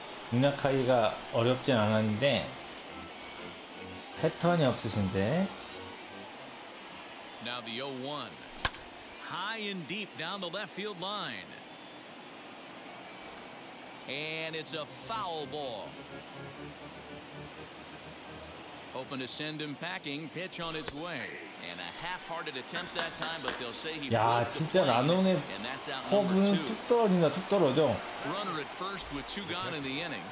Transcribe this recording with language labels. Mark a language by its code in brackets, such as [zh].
[ko] 공략하기가 어렵진 않았는데 패턴이 없으신데. [en] Now the 0-1. High and deep down the left field line. And it's a foul ball. Hoping to send him packing, pitch on its way. And a half-hearted attempt that time, but they'll say he broke. [ko] 야, 진짜 라논의 허브는 뚝 떨어진다, 뚝 떨어져. [en] Runner at first with two gone in the inning.